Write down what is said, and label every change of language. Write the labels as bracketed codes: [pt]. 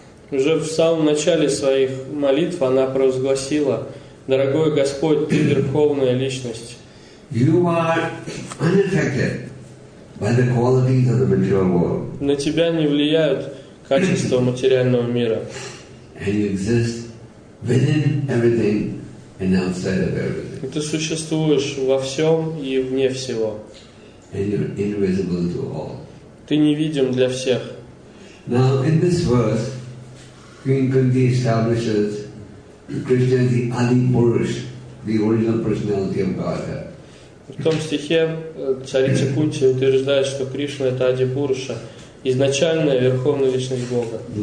[ru] Уже в самом начале своих молитв она провозгласила: «Дорогой Господь, Ты — Верховная Личность». [en] You are unaffected by the qualities of the material world. [ru] На тебя не влияют качества материального мира. [en] And you exist within everything and outside of everything. [ru] Ты существуешь во всем и вне всего. [en] And you're invisible to all. [ru] Ты невидим для всех. [en] Now, in this verse, Queen Kunti establishes Krishna as the Adi Purush, the original personality of Godhead. [ru] В том стихе царица Кунти утверждает, что Кришна — это Ади Пуруша, изначальная Верховная Личность Бога.